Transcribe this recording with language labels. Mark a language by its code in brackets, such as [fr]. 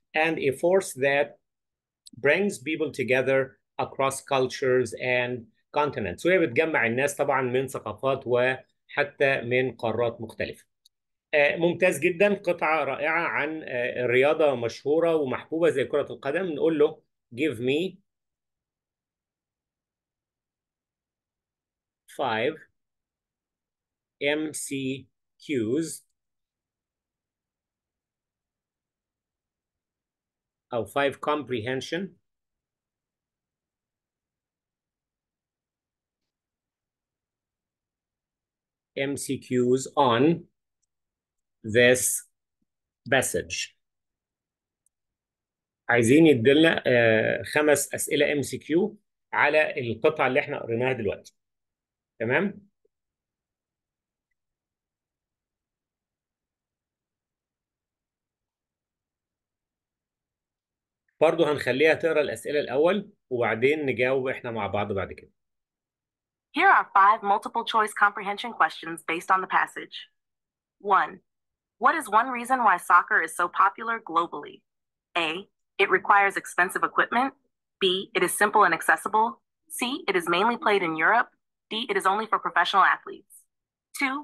[en] And a force that brings people together across cultures and continents. [ar] وهي بتجمع الناس طبعا من ثقافات وحتى من قارات مختلفة. ممتاز جدا. قطعة رائعة عن رياضة مشهورة ومحبوبة زي كرة القدم. نقول له [en] give me 5 MCQs أو 5 comprehension MCQs on this passage. [ar] عايزين يدلنا 5 أسئلة MCQ على القطعة اللي احنا قريناها دلوقتي. تمام؟ برضو هنخليها تقرأ الأسئلة الأول وبعدين نجاوب احنا مع بعض بعد كده. [en] Here are 5 multiple choice comprehension questions based on the passage. 1. What is one reason why soccer is so popular globally? A. It requires expensive equipment. B. It is simple and accessible. C. It is mainly played in Europe. D. It is only for professional athletes. 2.